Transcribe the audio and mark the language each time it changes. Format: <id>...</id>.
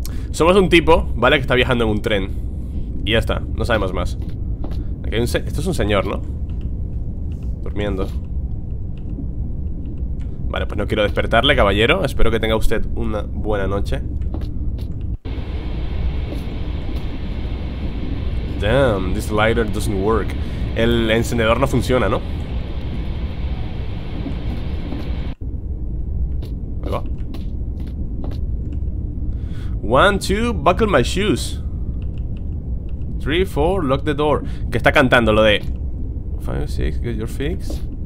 <es>Somos un tipo, ¿vale? Que está viajando en un tren. Y ya está, no sabemos más. Aquí hay un esto es un señor, ¿no? Durmiendo. Vale, pues no quiero despertarle, caballero. Espero que tenga usted una buena noche.</es> <en>Damn, this lighter doesn't work.</en> <es>El encendedor no funciona, ¿no? Ahí va.</es> <en>1, 2, buckle my shoes. 3, 4, lock the door.</en> <es>Que está cantando lo de 5, 6,</es> <en>get your fix.</en>